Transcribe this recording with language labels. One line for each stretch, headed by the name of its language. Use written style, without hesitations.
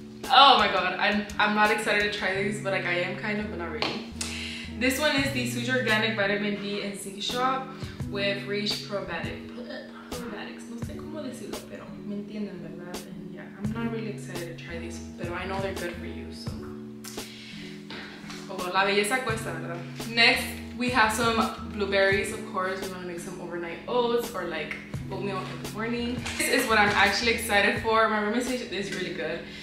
English: Oh my god, I'm not excited to try these, but like I am kind of, but not really. This one is the Suja Organic Vitamin B and Zinc Shot with rich probiotics.
Spanish: No sé cómo decirlo, pero me entienden, ¿verdad?
English: And yeah, I'm not really excited to try these, but I know they're good for you, so.
Spanish: Oh, la belleza cuesta, ¿verdad?
English: Next, we have some blueberries, of course. We want to make some overnight oats or like oatmeal in the morning. This is what I'm actually excited for. My room is really good.